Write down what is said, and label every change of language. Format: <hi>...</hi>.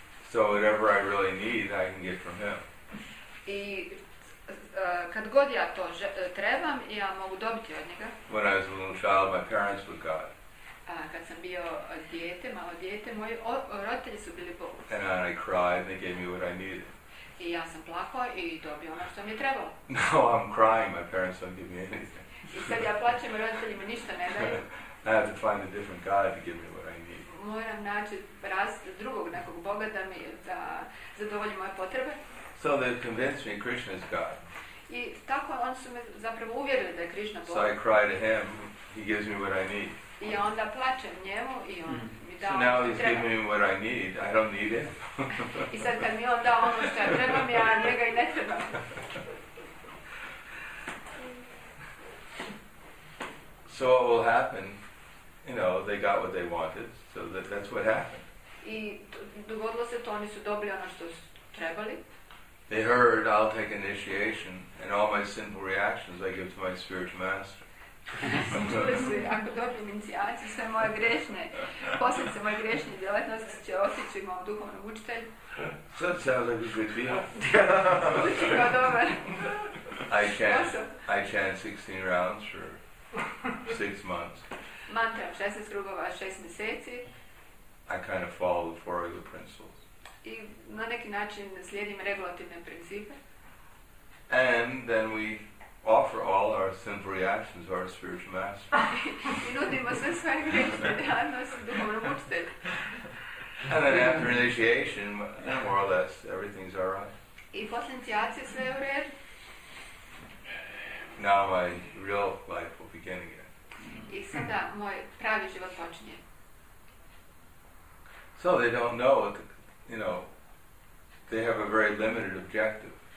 <en>So whatever I really need, I can get from him.</en> <hr>I kad god ja to trebam, ja mogu dobiti od njega.</hr> <en>When I was a little child, my parents were God.</en> <hr>Kad sam bio dijete, malo dijete, moji roditelji su bili Bog.</hr> <en>And then I cried and they gave me what I needed.</en> <hr>I ja sam plakao i dobio ono što mi je trebalo.</hr> <en>No, I'm crying, my parents don't give me anything.</en> <hr>I sad ja plaćam, roditeljima ništa ne daju.</hr> <en>I have to find a different God to give me what I need.</en> <hr>Moram naći drugog nekog Boga da mi da zadovolji moje potrebe.</hr> <en>So they convinced me Krishna is God.</en> <hr>I tako oni su me zapravo uvjerili da je Krishna Bog.</hr> <en>So I cry to him, he gives me what I need.</en> <hr>I onda plačem njemu i on mi da.</hr> <en>So now he's giving me what I need. I don't need him.</en> <hr>I sad kad mi on da ono što ja trebam, ja njega i ne trebam.</hr> <en>So what will happen? You know, they got what they wanted, so that's what happened.</en> <hr>I dogodilo se to, oni su dobili ono što su trebali.</hr> <en>They heard, I'll take initiation, and all my sinful reactions I give to my spiritual master.</en> <hr>Čuli su, ako dobijem inicijaciju, sve moje grešne, posljedice moje grešne djelatnosti će otići mom duhovnom učitelju.</hr> <en>So it sounds like a good deal.</en> <hr>Uči kao dobar.</hr> <en>I chant 16 rounds for 6 months.</en> <hr>Mantra 16 krugova 6 mjeseci.</hr> <en>I kind of follow the four regular principles.</en> <hr>I na neki način slijedim regulativne principe.</hr> <en>And then we offer all our sinful reactions to our spiritual master.</en> <hr>I nudimo sve svoje grešne reakcije duhovnom učitelju.</hr> <en>And then after initiation, more or less, everything's all right.</en> <hr>I posle inicijacije sve u redu.</hr> <en>Now my real life will begin again.</en> <hr>I sada moj pravi život počinje.</hr> <en>So they don't know, you know, they have a very limited objective.</en>